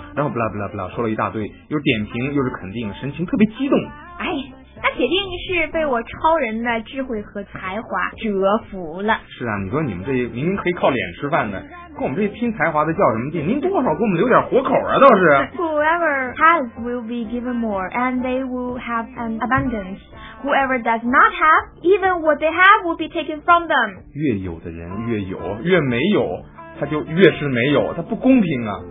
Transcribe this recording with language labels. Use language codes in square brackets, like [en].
[zh] 然后 blah blah blah 说了一大堆，又点评又是肯定，神情特别激动。哎。那铁定是被我超人的智慧和才华折服了。是啊，你说你们这明明可以靠脸吃饭的，跟我们这拼才华的较什么劲？您多少给我们留点活口啊，倒是。 [en] Whoever has will be given more, and they will have an abundance. Whoever does not have, even what they have will be taken from them. [zh] 越有的人越有，越没有他就越是没有，他不公平啊。